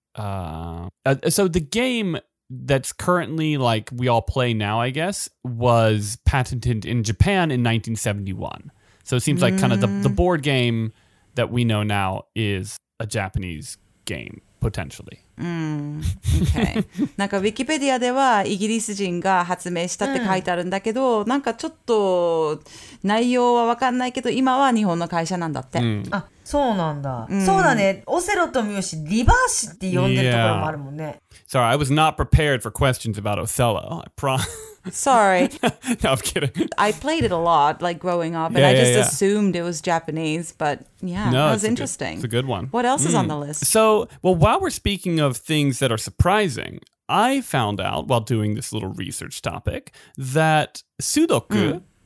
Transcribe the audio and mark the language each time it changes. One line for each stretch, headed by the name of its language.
English: So the game that's currently like we all play now, I guess, was patented in Japan in 1971. So it seems like kind of the board gameThat we know now is a Japanese game, potentially.
Japanese: Okay. なんか Wikipedia ではイギリス人が発明したって書いてあるんだけど、なんかちょっと内容は分かんないけど、今は日本の会社なんだって。あ、そうなんだ。Mm. そうだね。オセロとミヨシ、リバーシって呼んでるところもあるもんね。
English: Yeah. Sorry, I was not prepared for questions about Othello. I promise. Sorry. No, I'm kidding. I played it a lot, like growing up, and I just assumed it was Japanese, but yeah, no, that was interesting. It's a good one. What else is on the list? So, well, while we're speaking of things that are surprising, I found out while doing this little research topic that Sudoku